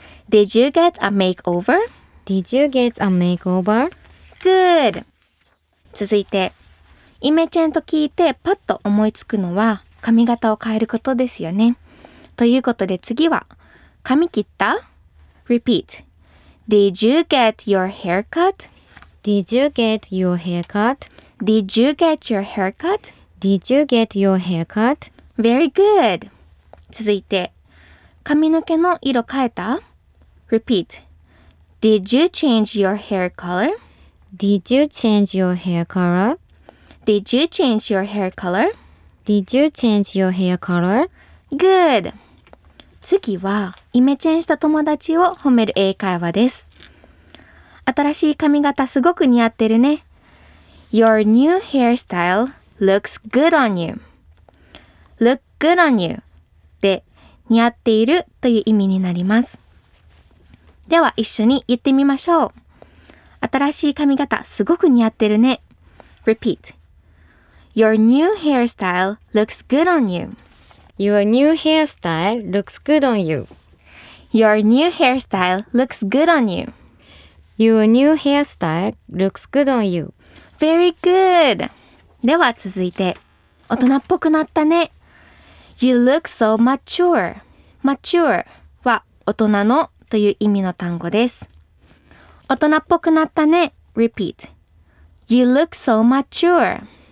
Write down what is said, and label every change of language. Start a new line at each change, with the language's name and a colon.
English: Did you get a makeover? Did you get a makeover? Good!
Japanese: 続いて、イメチェンと聞いてパッと思いつくのは髪型を変えることですよね。ということで次は、髪切った?
English: Repeat. Did you get your haircut? Did you get your haircut? Did you get your haircut? Did you get your haircut? Very good.
Japanese: 続いて、髪の毛の色変えた?
English: Repeat. Did you change your hair color? Did you change your hair color? Did you change your hair color? Did you change your hair color? Good.
Japanese: 次は、イメチェンした友達を褒める英会話です。新しい髪型すごく似合ってるね。
English: Your new hairstyle looks good on you. Look good on you.
Japanese: で、似合っているという意味になります。では一緒に言ってみましょう。新しい髪型すごく似合ってるね。
English: Repeat. Your new hairstyle looks good on you. Your new hairstyle looks good on you. Your new hairstyle looks good on you. Your new hairstyle looks good on you. Very good.
Japanese: では続いて、大人っぽくなったね。
English: You look so mature.
Japanese: Mature は大人のという意味の単語です。大人っぽくなったね。
English: Repeat. You look so mature.